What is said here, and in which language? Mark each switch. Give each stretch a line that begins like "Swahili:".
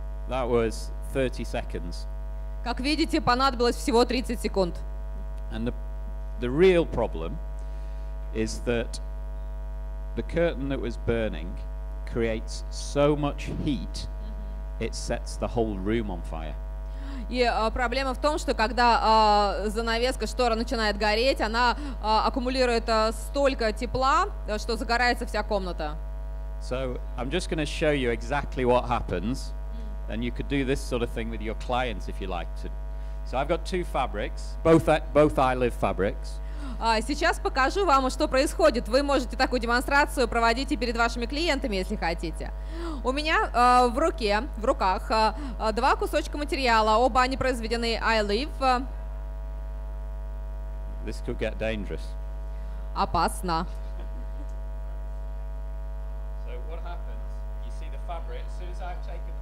English: Was 30 seconds.
Russian: Как видите, понадобилось всего 30 секунд.
English: And the real problem is that the curtain that was burning creates so much heat, it sets the whole room on fire.
Russian: И проблема в том, что когда занавеска, штора начинает гореть, она аккумулирует столько тепла, что загорается вся комната.
English: So I'm just going to show you exactly what happens. And you could do this sort of thing with your clients if you like to. So I've got two fabrics, both I live fabrics.
Russian: Сейчас покажу вам, что происходит. Вы можете такую демонстрацию проводить и перед вашими клиентами, если хотите. У меня в руках два кусочка материала, оба они произведены I live.
English: This could get dangerous.
Russian: Опасно.
English: So what happens? You see the fabric, as soon as I've taken.